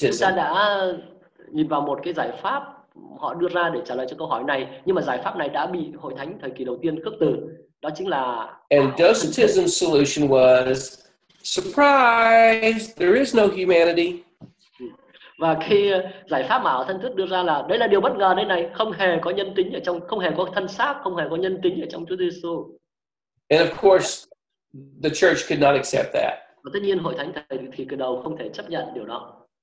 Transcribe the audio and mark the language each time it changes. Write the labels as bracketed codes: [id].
[vi] Chúng ta đã nhìn vào một cái giải pháp họ đưa ra để trả lời cho câu hỏi này, nhưng mà giải pháp này đã bị hội thánh thời kỳ đầu tiên khước từ, đó chính là. [en] And docetism's solution was surprise, there is no humanity. [vi] Và khi giải pháp mà thân thức đưa ra là đấy là điều bất ngờ đây này, không hề có nhân tính ở trong, không hề có thân xác, không hề có nhân tính ở trong Chúa Giêsu. [en] And of course, the church could not accept that. [vi] Và tất nhiên hội thánh thời kỳ đầu không thể chấp nhận điều đó.